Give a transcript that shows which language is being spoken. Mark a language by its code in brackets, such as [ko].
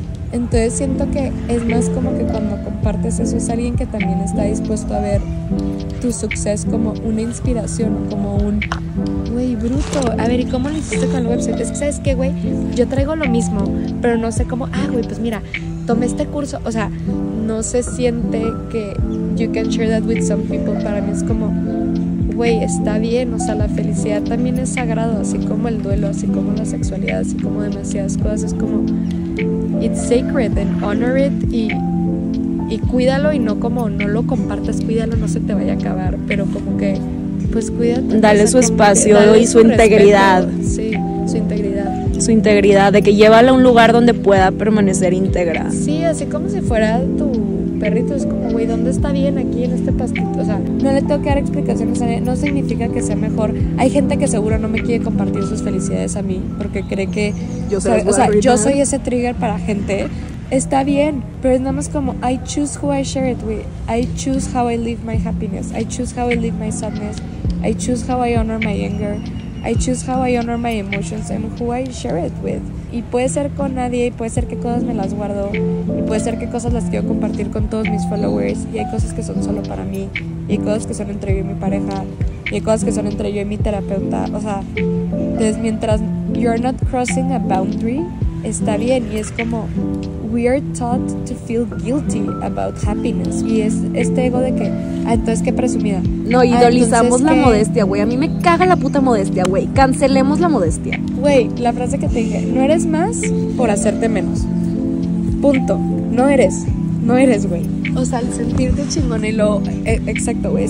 [es] Entonces siento que es más como que cuando compartes eso es alguien que también está dispuesto a ver tu suceso como una inspiración, como un, güey, bruto. A ver, ¿y cómo lo hiciste con el website? Es que, ¿sabes qué, güey? Yo traigo lo mismo, pero no sé cómo. Ah, güey, pues mira, tomé este curso. O sea, no se siente que [en] you can share that with some people. [es] Para mí es como, güey, está bien. O sea, la felicidad también es sagrado, así como el duelo, así como la sexualidad, así como demasiadas cosas. Es como, [en] it's sacred and honor it, [es] y cuídalo, y no como no lo compartas, cuídalo, no se te vaya a acabar, pero como que pues cuídate, dale su espacio, dale y su integridad respeto. Sí, su integridad, su integridad, de que llévala a un lugar donde pueda permanecer íntegra. Sí, así como si fuera tu perrito. Es como, güey, ¿dónde está bien aquí en este pastito? O sea, no le tengo que dar explicaciones a nadie, no significa que sea mejor. Hay gente que seguro no me quiere compartir sus felicidades a mí porque cree que yo soy ese trigger para gente. Está bien, pero es nada más como, [en] I choose who I share it with. I choose how I live my happiness. I choose how I live my sadness. I choose how I honor my anger. I choose how I honor my emotions and who I share it with. [es] Y puede ser con nadie, y puede ser que cosas me las guardo, y puede ser que cosas las quiero compartir con todos mis followers, y hay cosas que son solo para mí, y hay cosas que son entre yo y mi pareja, y hay cosas que son entre yo y mi terapeuta. O sea, entonces mientras [en] you're not crossing a boundary, [es] está bien. Y es como, [en] we are taught to feel guilty about happiness. [es] Y es este ego de que, ah, entonces qué presumida. No, idolizamos la modestia, güey. A mí me caga la puta modestia, güey. Cancelemos la modestia. Güey, la frase que te dije, no eres más por hacerte menos. Punto. No eres. No eres, güey. O sea, al sentirte chingón y lo... exacto, güey.